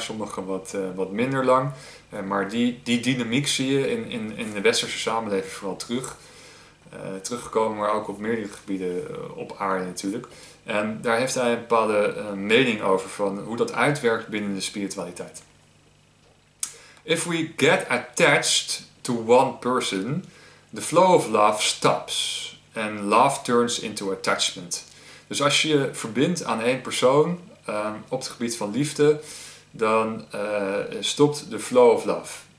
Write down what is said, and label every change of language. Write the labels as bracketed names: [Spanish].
[Dutch] Sommige wat minder lang. Maar die dynamiek zie je in de westerse samenleving vooral terug. Teruggekomen, maar ook op meerdere gebieden op aarde natuurlijk. En daar heeft hij een bepaalde mening over van hoe dat uitwerkt binnen de spiritualiteit. [English] If we get attached to one person, the flow of love stops and love turns into attachment. [Dutch] Dus als je je verbindt aan één persoon op het gebied van liefde, dan stopt de [English] flow of love.